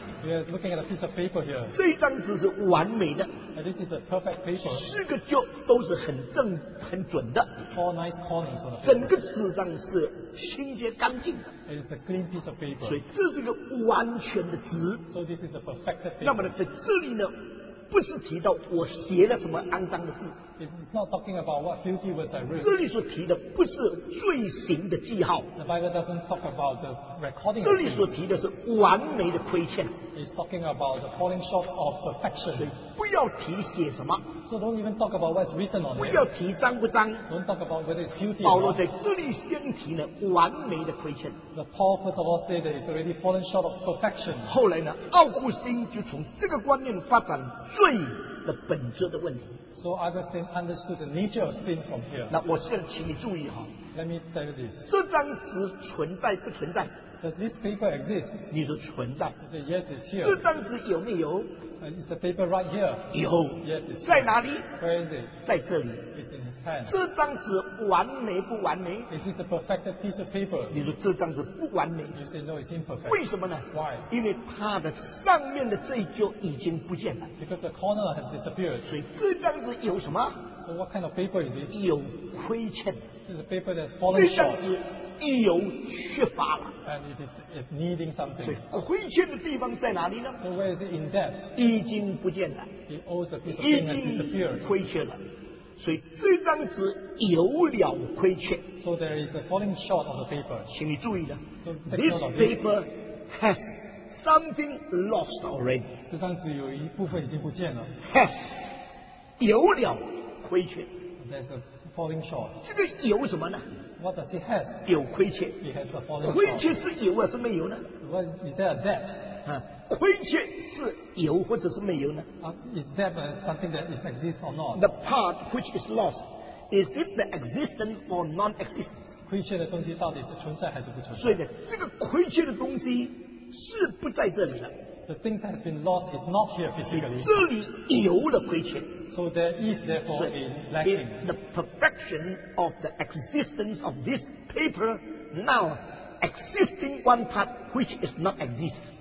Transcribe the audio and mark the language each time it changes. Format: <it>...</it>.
<en>We are looking at a piece of paper here.</en> <zh>这一张纸是完美的。</zh> <en>And this is a perfect paper.</en> <zh>四个角都是很正很准的。</zh> <en>Four nice corners on the paper.</en> <zh>整个纸张是清洁干净的。</zh> <en>It's a clean piece of paper.</en> <zh>所以这是个完全的纸。</zh> <en>So this is a perfect paper.</en> <zh>那么呢，在这里呢， 不是提到我写了什么肮脏的字。</zh> <en>It's not talking about what filthy words I wrote.</en> <zh>这里所提的不是罪行的记号。</zh> <en>The Bible doesn't talk about the recording.</en> <zh>这里所提的是完美的亏欠。</zh> <en>It's talking about the falling short of perfection.</en> <zh>不要提写什么。</zh> <en>So don't even talk about what's written on it.</en> <zh>不要提脏不脏。</zh> <en>Don't talk about whether it's filthy.</en> <zh>保罗在这里先提了完美的亏欠。</zh> <en>The Paul first of all said that it's already fallen short of perfection.</en> <zh>后来呢， 奥古斯丁就从这个观念发展 罪的本质的问题。</zh> <en>So Augustine understood the nature of sin from here.</en> <zh>那我现在请你注意哈。</zh> <en>Let me tell you this.</en> <zh>这张纸存在不存在？</zh> <en>Does this paper exist?</en> <zh>你说存在。</zh> <en>He said yes, it's here.</en> <zh>这张纸有没有？</zh> <en>Is the paper right here?</en> <zh>有。</zh> <en>Yes, it's here.</en> <zh>在哪里？</zh> <en>Where is it?</en> <zh>在这里。</zh> <en>It's in his hand.</en> <zh>这张纸完美不完美？</zh> <en>Is it the perfected piece of paper?</en> <zh>你说这张纸不完美。</zh> <en>You say no, it's imperfect.</en> <zh>为什么呢？</zh> <en>Why?</en> <zh>因为它的上面的这一角已经不见了。</zh> <en>Because the corner has disappeared.</en> <zh>所以这张纸有什么？</zh> <en>So what kind of paper is this?</en> <zh>有亏欠。</zh> <en>This is a paper that's fallen short.</en> <zh>有缺乏了。</zh> <en>And it is needing something.</en> <zh>亏欠的地方在哪里呢？</zh> <en>So where is it in debt?</en> <zh>已经不见了。</zh> <en>It owes a piece of thing that disappeared.</en> <zh>已经亏欠了。所以这张纸有了亏欠。</zh> <en>So there is a falling short of the paper.</en> <zh>请你注意的。</zh> <en>So this paper has something lost already.</en> <zh>这张纸有一部分已经不见了。 Has有了亏欠。</zh> <en>There's a falling short.</en> <zh>这个有什么呢？</zh> <en>What does it have?</en> <zh>有亏欠。</zh> <en>It has a falling short.</en> <zh>亏欠是有还是没有呢？</zh> <en>What is there a debt?</en> <zh>亏欠是有或者是没有呢？</zh> <en>Is debt something that is exist or not? The part which is lost, is it the existence or non-existence?</en> <zh>亏欠的东西到底是存在还是不存在？所以呢，这个亏欠的东西是不在这里了。</zh> <en>The thing that has been lost is not here physically.</en> <zh>这里有了亏欠。</zh> <en>So there is therefore a lacking. If the perfection of the existence of this paper now existing one part which is not exist.</en>